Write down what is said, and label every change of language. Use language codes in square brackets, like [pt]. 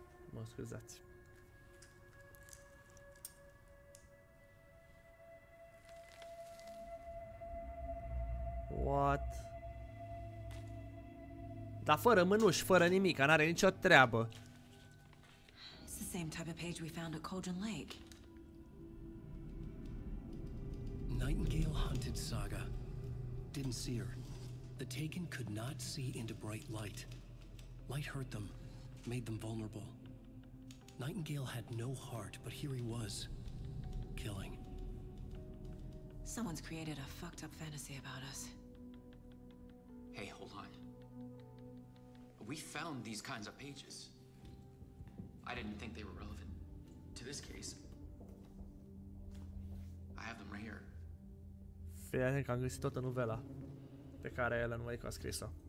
[ro] Mă scuzați. [en] What? [ro] Dar fără mânuș, fără nimic, n-are nicio treabă. [en] It's the same type of page we found at Cauldron Lake. Nightingale hunted Saga. Didn't see her. The Taken could not see into bright light. Light hurt them, made them vulnerable. Nightingale had no heart, but here he was, killing. Someone's created a fucked up fantasy about us. Hey, hold on. We found these kinds of pages. I didn't think they were relevant to this case. I have them right here. [ro] Fii atent că am găsit toată novela pe care Alan Wake a scris-o.